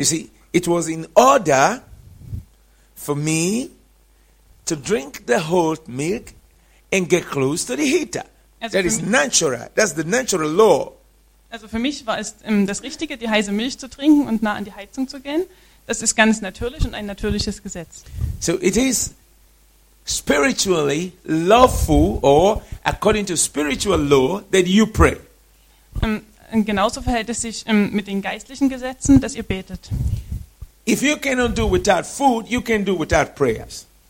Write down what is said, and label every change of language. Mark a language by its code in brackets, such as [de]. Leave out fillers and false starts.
[en] You see, it was in order for me to drink the hot milk and get close to the heater. [de] Also [en] that is natural. That's the natural law. [de] Also für mich war es das Richtige, die heiße Milch zu trinken und nah an die Heizung zu gehen. Das ist ganz natürlich und ein natürliches Gesetz. [en] So it is spiritually lawful or according to spiritual law that you pray. [de] Genauso verhält es sich mit den geistlichen Gesetzen, dass ihr betet. [en] If you cannot do without food, you can do without prayers.